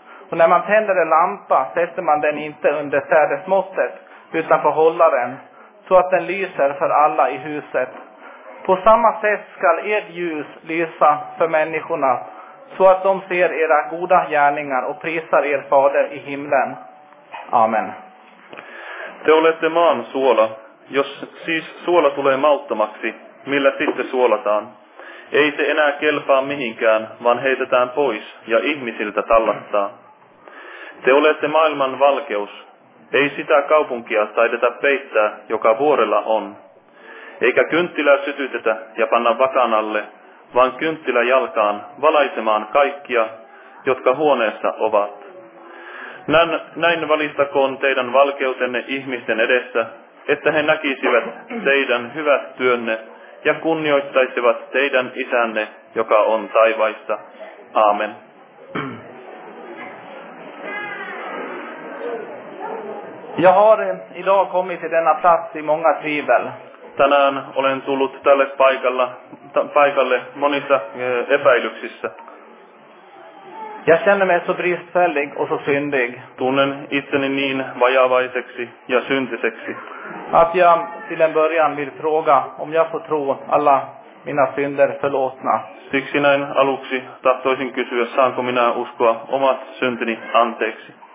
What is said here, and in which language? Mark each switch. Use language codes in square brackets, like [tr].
[sv] Och när man tänder en lampa sätter man den inte under sädesmåttet utan på hållaren, så att den lyser för alla i huset. På samma sätt ska ert ljus lysa för människorna, så att de ser era goda gärningar och prisar er fader i himlen. Amen. [fi] Te olette maan suola. Jos siis suola tulee mauttomaksi, millä sitten suolataan? Ei se enää kelpaa mihinkään, vaan heitetään pois ja ihmisiltä tallattaa. Te olette maailman valkeus. Ei sitä kaupunkia taideta peittää, joka vuorella on. Eikä kynttilää sytytetä ja panna vakan alle, vaan kynttilä jalkaan valaisemaan kaikkia, jotka huoneessa ovat. Näin valistakoon teidän valkeutenne ihmisten edessä, että he näkisivät teidän hyvät työnne ja kunnioittaisivat teidän isänne, joka on taivaissa. Aamen. [sv] Jag har idag kommit till denna plats i många tvivel. [fi] Tänään olen tullut tälle paikalle monissa epäilyksissä. [sv] Jag känner mig så bristfällig och så syndig. [fi] Tunnen itseni niin vajavaiseksi ja syntiseksi. [sv] Att jag till en början vill fråga om jag får tro alla mina synder förlåtna. [fi] Siksi näin aluksi tahtoisin kysyä, saanko minä uskoa omat syntini anteeksi.